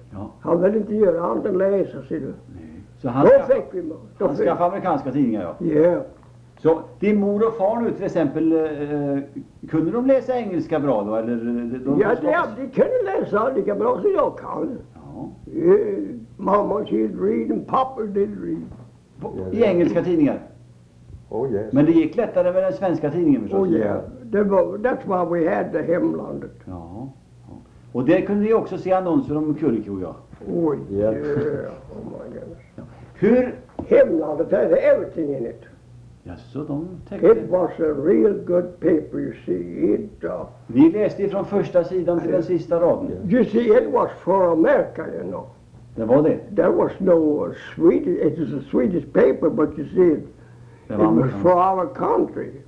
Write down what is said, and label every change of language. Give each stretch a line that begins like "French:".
Swedish: Ja. Han ville inte göra annat än läsa, ser du. Nej. Så han då fick vi. Han skaffade amerikanska tidningar, ja. Ja. Yeah. Så din mor och far nu till exempel, kunde de läsa engelska bra då? Eller, de ja, de kunde läsa lika bra som jag kan.
English: Yeah, mamma she'd read and pappa did read.
Swedish: I engelska tidningar?
English: Oh yes.
Swedish: Men det gick lättare med den svenska tidningen förstås?
English: Oh yeah, that's why we had the Hemlandet.
Swedish: Ja. Och där kunde vi också se annonser om Kuriko, ja.
English: Oh yeah, oh my goodness.
Swedish: Hur?
English: Hemlandet had everything in it.
Swedish: Jaså, de täckte...
English: It was a real good paper, you see, it...
Swedish: Vi läste från första sidan till den sista raden.
English: You see, it was for America, you know.
Swedish: Det var det?
English: There was no Swedish... It was a Swedish paper, but you see, it was for our country.